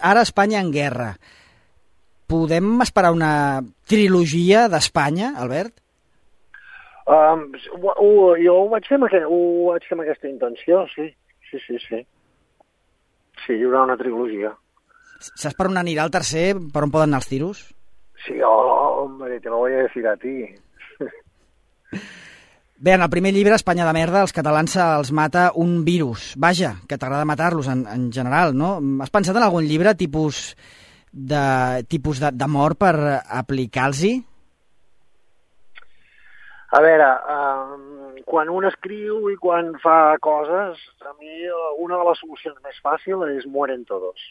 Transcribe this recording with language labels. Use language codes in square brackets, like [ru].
[ca] Ara, Espanya en guerra. Podem esperar una trilogia d'Espanya, Albert? Jo ho vaig fer amb aquesta intenció, sí. Sí. Sí, hi haurà una trilogia. Saps per on anirà el tercer? Per on poden anar els tiros? Sí, home, [es] te lo voy a decir a ti. [ca] Bé, en el primer llibre, Espanya de merda, els catalans els mata un virus. Vaja, que t'agrada matar-los en general, no? Has pensat en algun llibre tipus de mort per aplicar-los-hi? A veure, quan un escriu i quan fa coses, a mi una de les solucions més fàcils és [es] mueren todos.